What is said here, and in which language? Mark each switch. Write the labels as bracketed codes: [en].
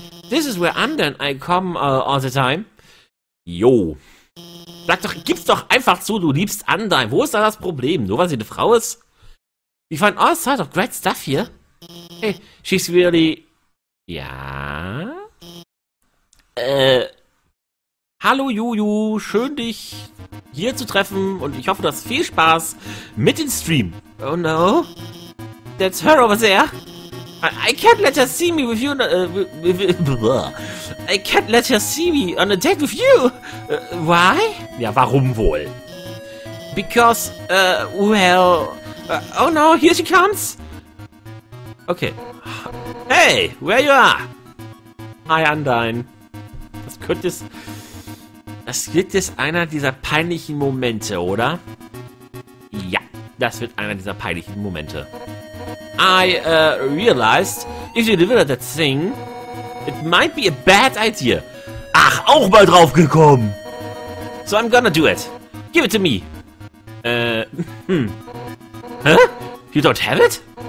[en] This is where Anden, I come all the time. [de] Jo. Sag doch, gib's doch einfach zu, du liebst Anden. Wo ist da das Problem? Nur weil sie eine Frau ist? [en] We find all sorts of great stuff here. Hey, she's really... Ja? [de] Hallo Juju, schön dich hier zu treffen und ich hoffe, du hast viel Spaß mit dem Stream. [en] Oh no, that's her over there. I can't let her see me with you. I can't let her see me on a date with you. Why? [de] Ja, warum wohl? [en] Because, well. Oh no, here she comes. Okay. Hey, where you are? Hi, Undyne. [de] Das wird jetzt einer dieser peinlichen Momente, oder? Ja, das wird einer dieser peinlichen Momente. [en] I realized, if you deliver that thing, it might be a bad idea. [de] Ach, auch mal drauf gekommen. [en] So I'm gonna do it. Give it to me. Huh? You don't have it?